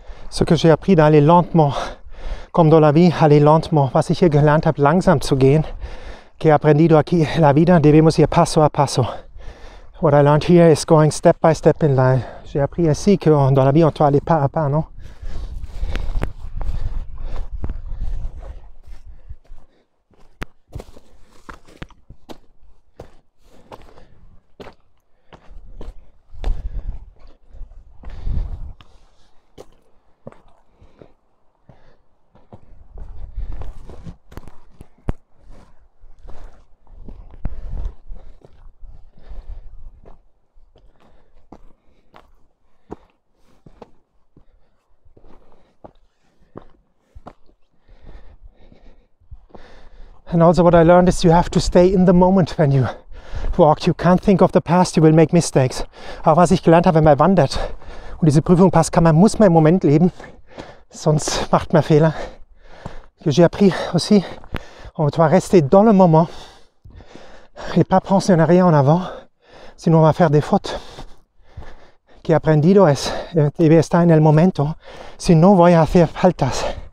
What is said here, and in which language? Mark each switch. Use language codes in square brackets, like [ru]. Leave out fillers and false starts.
[fr] Ce que j'ai appris d'aller lentement, comme dans la vie, aller lentement. [de] Was ich hier gelernt habe, langsam zu gehen. [es] Que he aprendido aquí la vida, debemos ir paso a paso. [en] What I learned here is going step by step in life. [fr] J'ai appris ainsi que dans la vie, on doit aller pas à pas, non? [en] And also what I learned is you have to stay in the moment when you walk. You can't think of the past, you will make mistakes. [de] Aber was ich gelernt habe, wenn man wandert und diese Prüfung passt, kann man, muss man im Moment leben, sonst macht man Fehler. [fr] Que j'ai appris aussi, on doit rester dans le moment et pas penser en arrière en avant, sinon on va faire des fautes. [es] Que aprendido es, debe estar en el momento, sino voy a hacer faltas.